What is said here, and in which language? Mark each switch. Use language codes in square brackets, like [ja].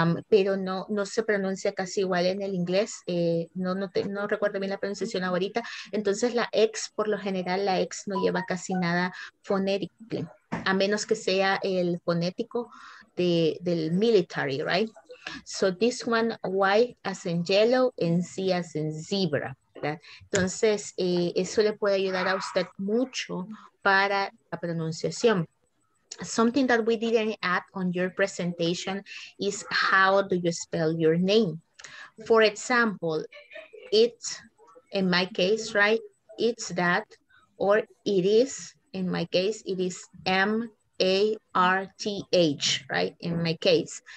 [es] Pero no se pronuncia casi igual en el inglés, no recuerdo bien la pronunciación ahorita, entonces la X, por lo general la X no lleva casi nada fonético, a menos que sea el fonético del military, right? [en] So this one, Y as in yellow and Z as in zebra, ¿verdad? [es] Entonces, eso le puede ayudar a usted mucho para la pronunciación. [en] Something that we didn't add on your presentation is how do you spell your name? For example, it's, in my case, right? It's that, or it is, in my case, it is M, A-R-T-H, right? In my case.